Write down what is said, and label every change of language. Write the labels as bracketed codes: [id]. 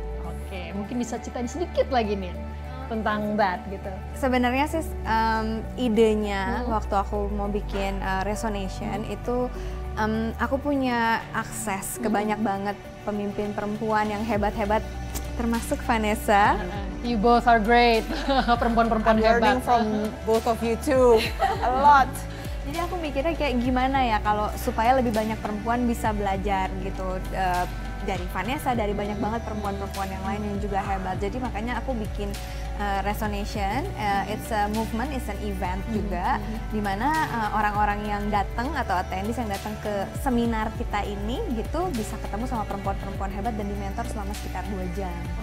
[id] Oke, okay, mungkin bisa ceritain sedikit lagi nih tentang that gitu. Sebenarnya sih idenya waktu aku mau bikin Resonation itu aku punya akses ke banyak banget pemimpin perempuan yang hebat-hebat, termasuk Vanessa. [en] You both are great. [id] Perempuan-perempuan [en] I'm [id] hebat. [en] Learning from both of you too a lot. [id] Jadi aku mikirnya kayak gimana ya kalau supaya lebih banyak perempuan bisa belajar gitu. Dari Vanessa, dari banyak banget perempuan-perempuan yang lain yang juga hebat. Jadi makanya aku bikin Resonation, [en] it's a movement, it's an event [id] juga, dimana orang-orang yang datang atau attendees yang datang ke seminar kita ini gitu bisa ketemu sama perempuan-perempuan hebat dan dimentor selama sekitar 2 jam.